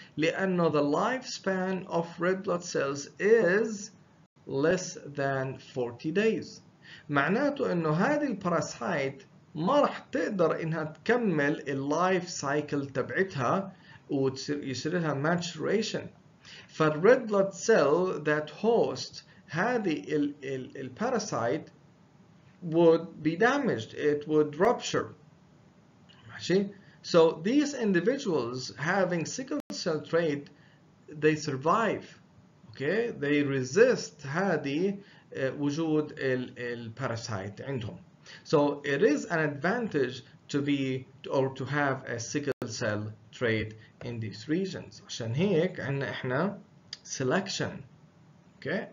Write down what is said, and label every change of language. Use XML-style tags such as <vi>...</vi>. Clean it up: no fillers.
<ar>لأنه</ar> <en>the lifespan of red blood cells is less than 40 days.</en> <ar>معناته انه هذه الباراسايت ما راح تقدر انها تكمل اللايف سايكل تبعتها ويصير لها ماتشوريشن.</ar> <en>فالريد blood cell that host</en> <ar>هذه</ar> <en>الباراسايت would be damaged, it would rupture.</en> <ar>ماشي؟</ar> <en>So these individuals having sickle cell trait, they survive. Okay? They resist</en> <ar>هذه وجود الباراسايت عندهم.</ar> <en>So it is an advantage to be or to have a sickle cell trait in these regions.</en> <ar>عشان هيك عندنا احنا</ar> <en>selection. Okay?</en>